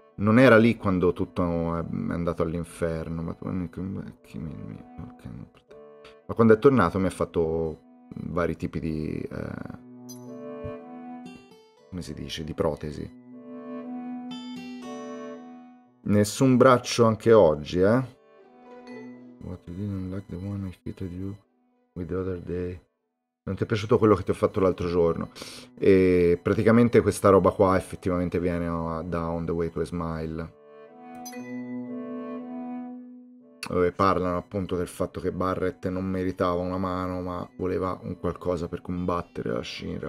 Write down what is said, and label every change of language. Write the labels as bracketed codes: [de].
[it] Non era lì quando tutto è andato all'inferno, ma quando è tornato mi ha fatto vari tipi di... come si dice? Di protesi. Nessun braccio anche oggi, eh? [en] What, you didn't like the one I fitted you with the other day? [it] Non ti è piaciuto quello che ti ho fatto l'altro giorno? E praticamente questa roba qua effettivamente viene da On the Way to a Smile. Dove parlano appunto del fatto che Barrett non meritava una mano, ma voleva un qualcosa per combattere la Shinra.